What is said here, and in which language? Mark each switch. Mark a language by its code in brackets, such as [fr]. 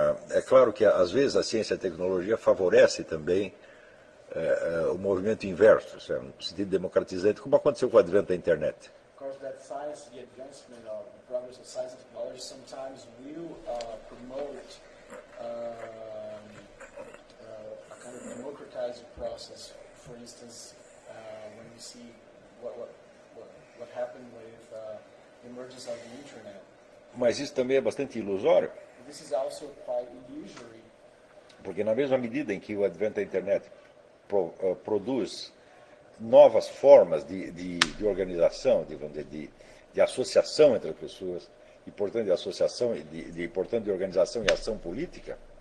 [pt] É claro que às vezes a ciência e a tecnologia favorece também o movimento inverso, certo? No sentido democratizante, como aconteceu com o advento da internet. [en] Of course, that science, the advancement or the progress of science and technology sometimes will promote a kind of democratizing process. For instance, when you see what happened with the emergence of the internet. [pt] Mas isso também é bastante ilusório. [en] This is also quite illusory. [pt] Porque na mesma medida em que o advento da internet produz novas formas de organização, de associação entre as pessoas, e portanto de associação de organização e ação política.